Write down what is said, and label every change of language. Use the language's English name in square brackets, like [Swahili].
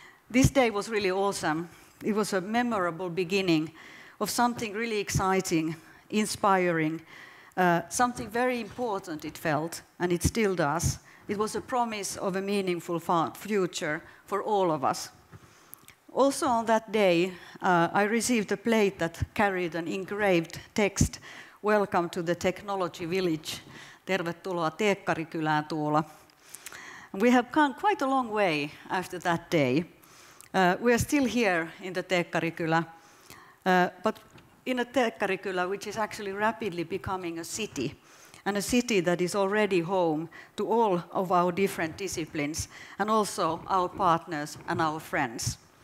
[English] This day was really awesome. It was a memorable beginning of something really exciting, inspiring, something very important it felt, and it still does. It was a promise of a meaningful future for all of us. Also on that day, I received a plate that carried an engraved text, "Welcome to the Technology Village." [Finnish] Tervetuloa Teekkarikylään, Tuula. [English] We have come quite a long way after that day. We are still here in the Teekkarikylä, but in a Teekkarikylä, which is actually rapidly becoming a city, and a city that is already home to all of our different disciplines, and also our partners and our friends.